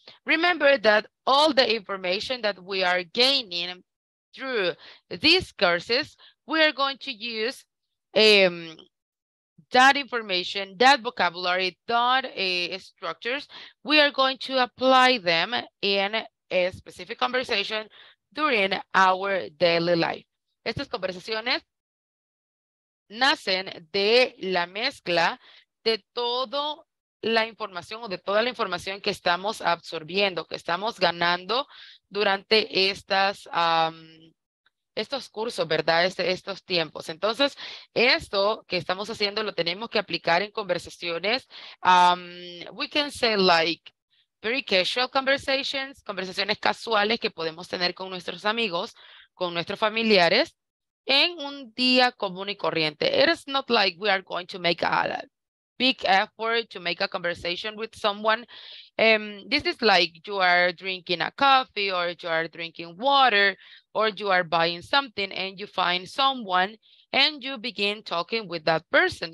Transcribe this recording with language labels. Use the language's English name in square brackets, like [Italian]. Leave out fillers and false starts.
[English] Remember that all the information that we are gaining through these courses, we are going to use that information, that vocabulary, that structures, we are going to apply them in a specific conversation during our daily life. [Spanish] Estas conversaciones nacen de la mezcla de toda la información o de toda la información que estamos absorbiendo, que estamos ganando durante estas estos cursos, ¿verdad? Estos tiempos. Entonces, esto que estamos haciendo lo tenemos que aplicar en conversaciones. [English] We can say like very casual conversations, [Spanish] conversaciones casuales que podemos tener con nuestros amigos, con nuestros familiares, en un día común y corriente. [English] It is not like we are going to make a big effort to make a conversation with someone. This is like you are drinking a coffee or you are drinking water or you are buying something and you find someone and you begin talking with that person.